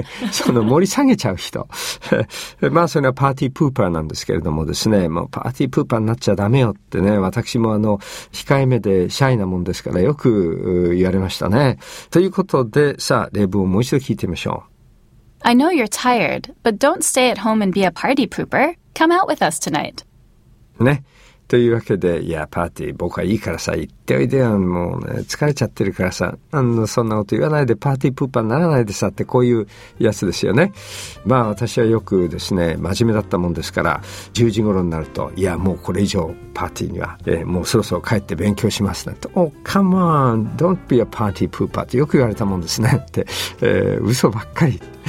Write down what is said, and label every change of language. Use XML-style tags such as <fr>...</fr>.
<ja>その盛り下げちゃう人。まあ、それがパーティープーパーなんですけれどもですね、もうパーティープーパーになっちゃダメよってね、私も控えめでシャイなもんですからよく言われましたね。ということで、さあ、例文をもう一度聞いてみましょう。</ja> <en>I know you're tired, but don't stay at home and be a party pooper. Come out with us tonight.</en> <ja>ね。というわけで、いや、パーティー、僕はいいからさ、行っておいでよ。もうね、疲れちゃってるからさ、そんなこと言わないで、パーティープーパーにならないでさ、ってこういうやつですよね。まあ、私はよくですね、真面目だったもんですから、10時頃になると、いや、もうこれ以上、パーティーには、もうそろそろ帰って勉強しますなんて、</ja> <en>Oh, come on, don't be a party pooper</en> <ja>ってよく言われたもんですね、って、嘘ばっかり。</ja>